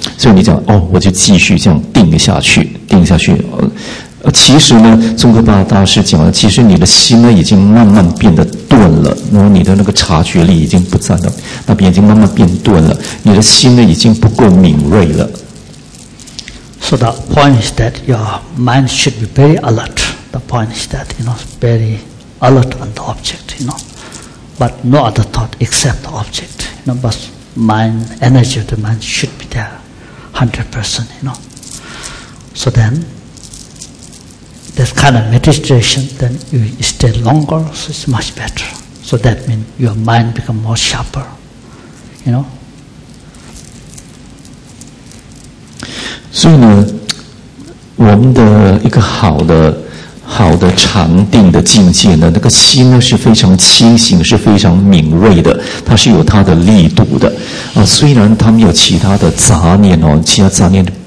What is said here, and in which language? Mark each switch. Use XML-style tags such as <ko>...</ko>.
<zh>所以你讲哦，我就继续这样定下去，定下去。其实呢，宗喀巴大师讲了，其实你的心呢已经慢慢变得钝了，然后你的那个察觉力已经不在了，那边已经慢慢变钝了，你的心呢已经不够敏锐了。</zh> <en>So the point is that your mind should be very alert. The point is that you know very alert on the object, you know, but no other thought except the object. You know, but mind energy of the mind should be there, 100%. You know, so then. That kind of meditation, then you stay longer, so it's much better. So that means your mind becomes more sharper, you know.</en> <zh>所以呢，我们的一个好的禅定的境界呢，那个心呢是非常清醒，是非常敏锐的，它是有它的力度的。虽然它没有其他的杂念哦，其他杂念。</zh>